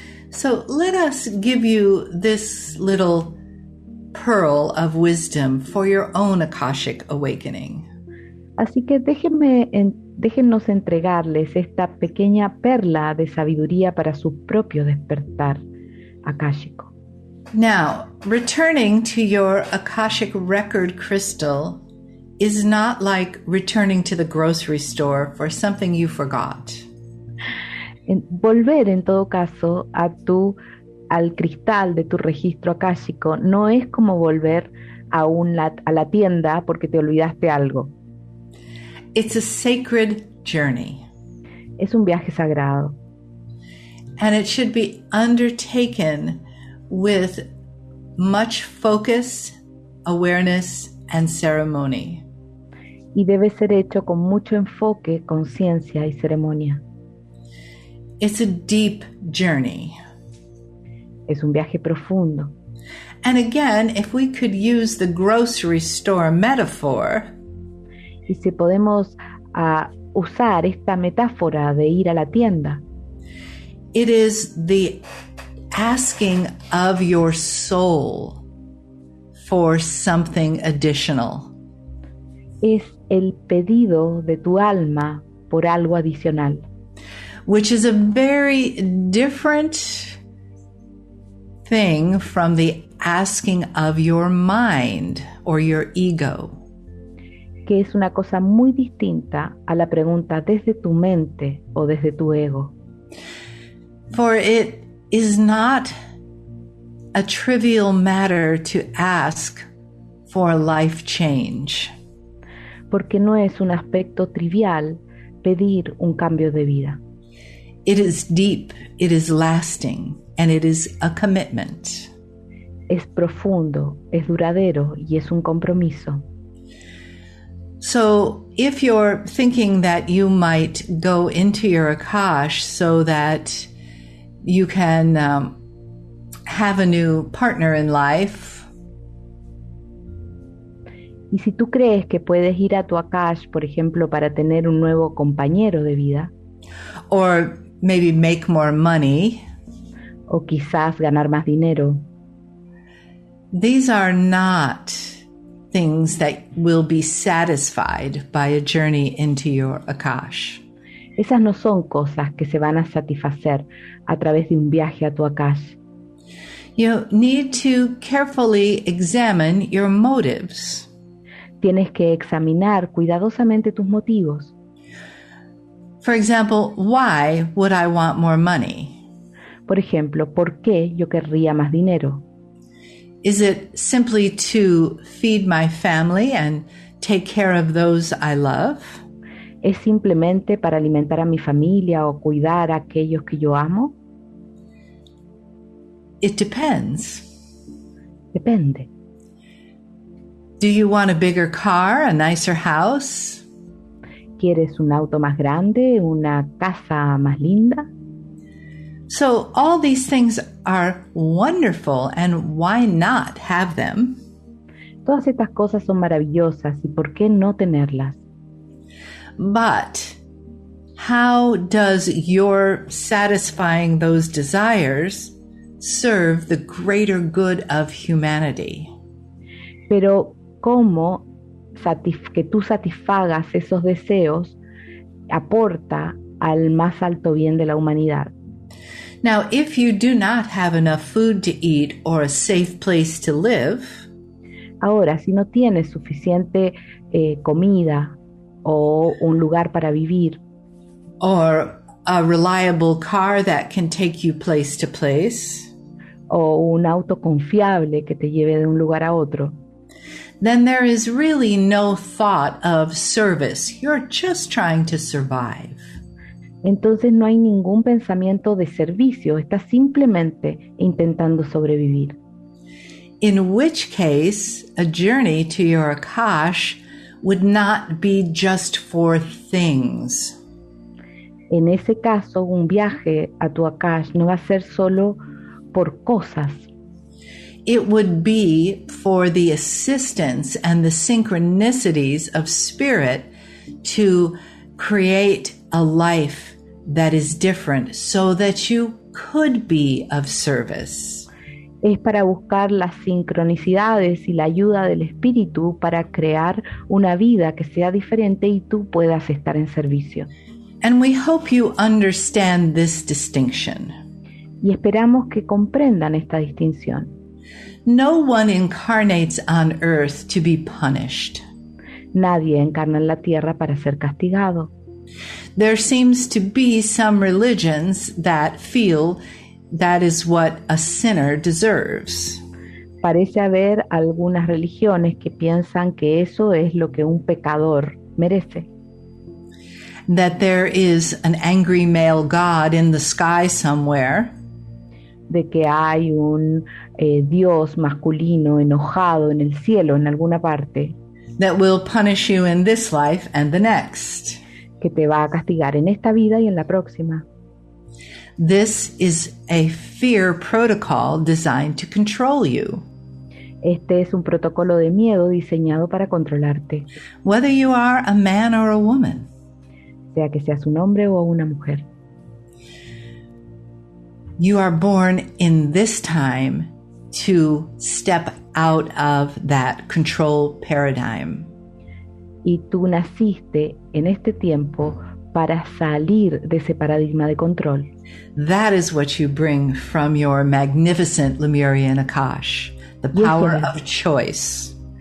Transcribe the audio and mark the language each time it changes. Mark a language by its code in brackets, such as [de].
[en] So let us give you this little pearl of wisdom for your own Akashic Awakening. [es] Así que déjennos entregarles esta pequeña perla de sabiduría para su propio despertar akáshico. [en] Now, returning to your Akashic record crystal is not like returning to the grocery store for something you forgot. [es] Volver, en todo caso, al cristal de tu registro akáshico no es como volver a la tienda porque te olvidaste algo. [en] It's a sacred journey. [es] Es un viaje sagrado. [en] And it should be undertaken with much focus, awareness, and ceremony. [es] Y debe ser hecho con mucho enfoque, conciencia y ceremonia. [en] It's a deep journey. [es] Es un viaje profundo. [en] And again, if we could use the grocery store metaphor. [es] Y si podemos usar esta metáfora de ir a la tienda. [en] It is the asking of your soul for something additional. [es] Es el pedido de tu alma por algo adicional. [en] Which is a very different thing from the asking of your mind or your ego. [es] Que es una cosa muy distinta a la pregunta desde tu mente o desde tu ego. [en] For it is not a trivial matter to ask for a life change. [es] Porque no es un aspecto trivial pedir un cambio de vida. [en] It is deep, it is lasting, and it is a commitment. [es] Es profundo, es duradero y es un compromiso. [en] So if you're thinking that you might go into your Akash so that you can have a new partner in life. [es] Y si tú crees que puedes ir a tu Akash, por ejemplo, para tener un nuevo compañero de vida. [en] Or maybe make more money. [es] O quizás ganar más dinero. [en] These are not things that will be satisfied by a journey into your Akash. [es] Esas no son cosas que se van a satisfacer a través de un viaje a tu Akash. [en] You need to carefully examine your motives. [es] Tienes que examinar cuidadosamente tus motivos. [en] For example, why would I want more money? [es] Por ejemplo, ¿por qué yo querría más dinero? [en] Is it simply to feed my family and take care of those I love? [es] ¿Es simplemente para alimentar a mi familia o cuidar a aquellos que yo amo? [en] It depends. [es] Depende. [en] Do you want a bigger car, a nicer house? [es] ¿Quieres un auto más grande, una casa más linda? [en] So all these things are wonderful, and why not have them? [es] Todas estas cosas son maravillosas, ¿y por qué no tenerlas? [en] But how does your satisfying those desires serve the greater good of humanity? [es] Pero ¿cómo que tú satisfagas esos deseos aporta al más alto bien de la humanidad? [en] Now, if you do not have enough food to eat or a safe place to live, [es] ahora, si no tienes suficiente comida o un lugar para vivir, [en] or a reliable car that can take you place to place, [es] o un auto confiable que te lleve de un lugar a otro, [en] then there is really no thought of service. You're just trying to survive. [es] Entonces no hay ningún pensamiento de servicio, estás simplemente intentando sobrevivir. [en] In which case, a journey to your Akash would not be just for things. [es] En ese caso, un viaje a tu Akash no va a ser solo por cosas. [en] It would be for the assistance and the synchronicities of spirit to create a life that is different so that you could be of service. [es] Es para buscar las sincronicidades y la ayuda del espíritu para crear una vida que sea diferente y tú puedas estar en servicio. [en] And we hope you understand this distinction. [es] Y esperamos que comprendan esta distinción. [en] No one incarnates on earth to be punished. [es] Nadie encarna en la tierra para ser castigado. [en] There seems to be some religions that feel that is what a sinner deserves. [es] Parece haber algunas religiones que piensan que eso es lo que un pecador merece. [en] That there is an angry male god in the sky somewhere. [es] De que hay un Dios masculino enojado en el cielo en alguna parte. [en] That will punish you in this life and the next. [es] Que te va a castigar en esta vida y en la próxima. [en] This is a fear protocol designed to control you. [es] Este es un protocolo de miedo diseñado para controlarte. [en] Whether you are a man or a woman. [es] Sea que seas un hombre o una mujer. [en] You are born in this time to step out of that control paradigm. [es] Y tú naciste en este tiempo para salir de ese paradigma de control. [en] That is what you bring from your magnificent Lemurian Akash, the power of choice.